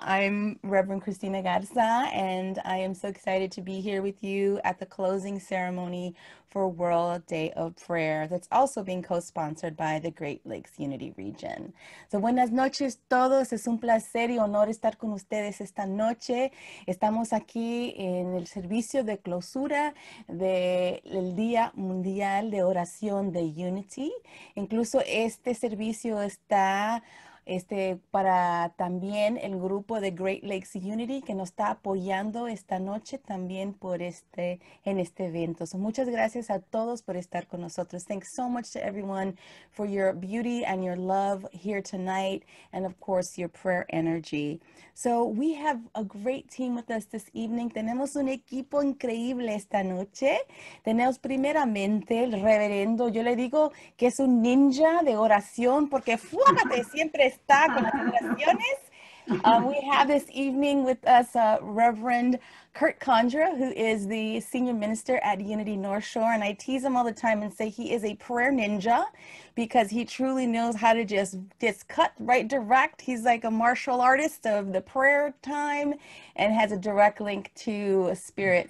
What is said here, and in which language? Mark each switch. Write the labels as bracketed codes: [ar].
[en] I'm Reverend Christina Garza, and I am so excited to be here with you at the closing ceremony for World Day of Prayer that's also being co-sponsored by the Great Lakes Unity Region. [es] So, buenas noches todos. Es un placer y honor estar con ustedes esta noche. Estamos aquí en el servicio de clausura del Día Mundial de Oración de Unity. Incluso este servicio está para también el grupo de Great Lakes Unity que nos está apoyando esta noche también por en este evento. So muchas gracias a todos por estar con nosotros. [en] Thanks so much to everyone for your beauty and your love here tonight, and of course your prayer energy. So we have a great team with us this evening. [es] Tenemos un equipo increíble esta noche. Tenemos primeramente el reverendo. Yo le digo que es un ninja de oración porque fuégate, siempre está con las oraciones. [en] We have this evening with us Reverend Kurt Condra, who is the senior minister at Unity North Shore, and I tease him all the time and say he is a prayer ninja because he truly knows how to just cut right direct. He's like a martial artist of the prayer time and has a direct link to spirit.